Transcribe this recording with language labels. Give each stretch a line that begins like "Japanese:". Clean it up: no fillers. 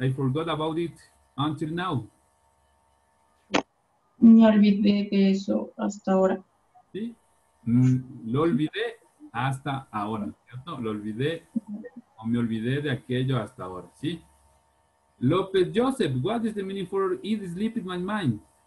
English: I forgot about it until now.
Spanish: Me olvidé de eso hasta ahora. Sí, lo olvidé hasta ahora, ¿cierto? Lo olvidé o me olvidé de aquello hasta ahora, ¿sí?
English: López Joseph, what is the meaning for it slipped in my mind?